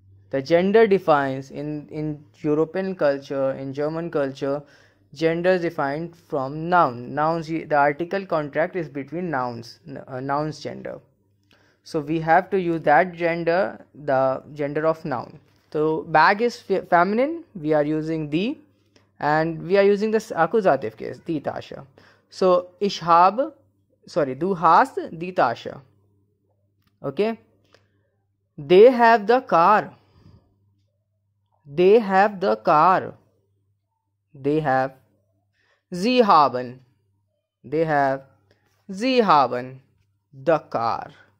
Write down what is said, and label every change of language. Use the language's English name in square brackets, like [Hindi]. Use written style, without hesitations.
[English] The gender defines in European culture, in German culture, gender is defined from noun. Nouns, the article contract is between nouns, nouns gender. So we have to use that gender, the gender of noun. So bag is feminine, we are using die, and we are using this accusative case, [German] die Tasche. So ich habe, sorry, du hast die Tasche. [English] Okay, they have the car, they have the car, they have, [German] sie haben, [English] they have, sie haben the car.